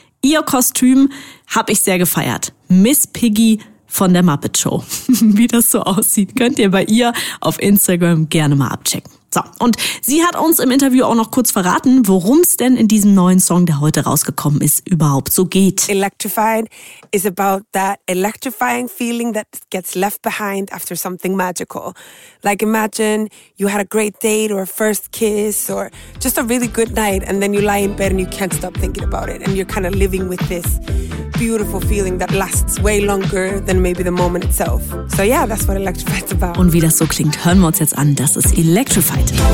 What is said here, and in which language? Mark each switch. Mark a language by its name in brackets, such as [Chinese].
[German] Ihr Kostüm habe ich sehr gefeiert. Miss Piggy von der Muppet Show. Wie das so aussieht, könnt ihr bei ihr auf Instagram gerne mal abchecken. So, und sie hat uns im Interview auch noch kurz verraten, worum es denn in diesem neuen Song, der heute rausgekommen ist, überhaupt so geht. [English] Electrified is about that electrifying feeling that gets left behind after something magical. Like imagine you had a great date or a first kiss or just a really good night and then you lie in bed and you can't stop thinking about it and you're kind of living with this beautiful feeling that lasts way longer than maybe the moment itself. So yeah, that's what Electrified's about. [German] Und wie das so klingt, hören wir uns jetzt an, das ist Electrified.